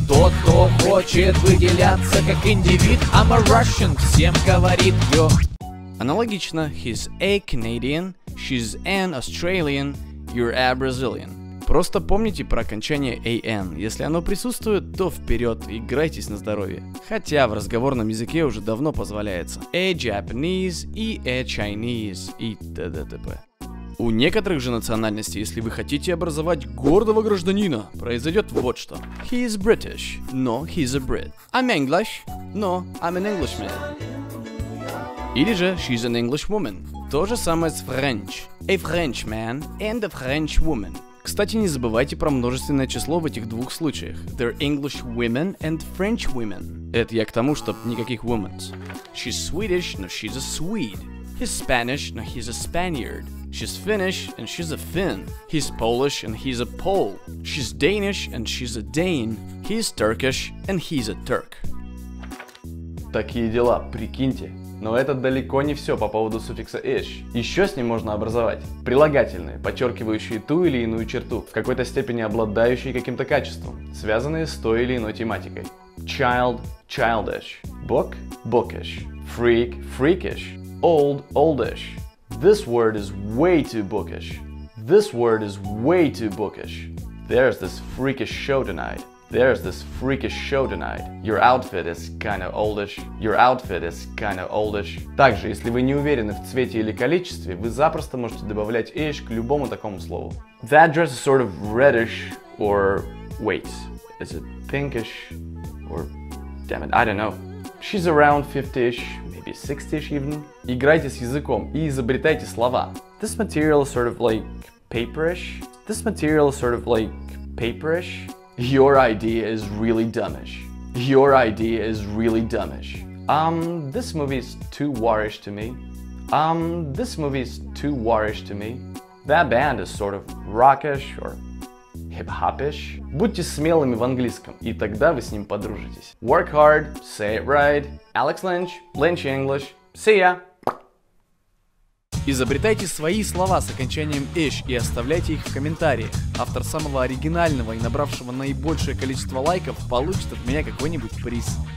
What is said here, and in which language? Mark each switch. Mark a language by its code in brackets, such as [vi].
[ru] Тот, кто хочет выделяться как индивид, [en] I'm a Russian, [ru] всем говорит йо. Аналогично. [en] He's a Canadian. She's an Australian. You're a Brazilian. [ru] Просто помните про окончание AN. Если оно присутствует, то вперед, играйтесь на здоровье. Хотя в разговорном языке уже давно позволяется. [en] A Japanese и A Chinese [ru] и т.д. т.п. У некоторых же национальностей, если вы хотите образовать гордого гражданина, произойдет вот что. [en] He is British, no, he's a Brit. I'm English, no, I'm an Englishman. [ru] Или же [en] she's an Englishwoman. [ru] То же самое с French. [en] A Frenchman and a Frenchwoman. [ru] Кстати, не забывайте про множественное число в этих двух случаях. [en] They're English women and French women. [ru] Это я к тому, чтоб никаких women. [en] She's Swedish, no she's a Swede. He's Spanish, no he's a Spaniard. She's Finnish and she's a Finn. He's Polish and he's a Pole. She's Danish and she's a Dane. He's Turkish and he's a Turk. [ru] Такие дела, прикиньте. Но это далеко не все по поводу суффикса -ish. Еще с ним можно образовать прилагательные, подчеркивающие ту или иную черту, в какой-то степени обладающие каким-то качеством, связанные с той или иной тематикой. [en] Child – childish. Book – bookish. Freak – freakish. Old – oldish. This word is way too bookish. This word is way too bookish. There's this freakish show tonight. There's this freakish show tonight. Your outfit is kinda oldish. Your outfit is kinda oldish. [ru] Также, если вы не уверены в цвете или количестве, вы запросто можете добавлять -ish к любому такому слову. [en] That dress is sort of reddish or... Wait, is it pinkish or... Damn it, I don't know. She's around 50-ish, maybe 60-ish even. [ru] Играйте с языком и изобретайте слова. [en] This material is sort of like paperish. This material is sort of like paperish. Your idea is really dumbish. Your idea is really dumbish. This movie is too warish to me. This movie is too warish to me. That band is sort of rockish or hip-hopish. [ru] Будьте смелыми в английском, и тогда вы с ним подружитесь. [en] Work hard, say it right. Alex Lynch, Lynch English. See ya! [ru] Изобретайте свои слова с окончанием -ish и оставляйте их в комментариях. Автор самого оригинального и набравшего наибольшее количество лайков получит от меня какой-нибудь приз.